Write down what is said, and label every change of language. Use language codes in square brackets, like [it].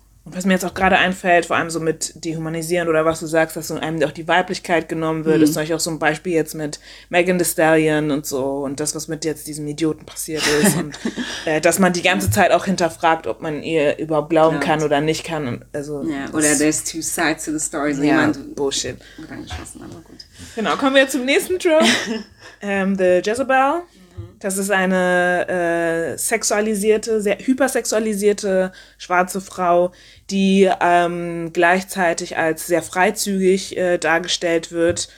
[de] Und was mir jetzt auch gerade einfällt, vor allem so mit Dehumanisieren oder was du sagst, dass so einem auch die Weiblichkeit genommen wird, ist natürlich auch so ein Beispiel jetzt mit Megan Thee Stallion und so und das, was mit jetzt diesem Idioten passiert ist und dass man die ganze Zeit auch hinterfragt, ob man ihr überhaupt glauben kann oder nicht kann. Und also oder [en] there's two sides to the story. [de] Ja, Bullshit. Aber gut. Genau, kommen wir jetzt zum nächsten Trope. The Jezebel. Das ist eine sexualisierte, sehr hypersexualisierte schwarze Frau, die gleichzeitig als sehr freizügig dargestellt wird.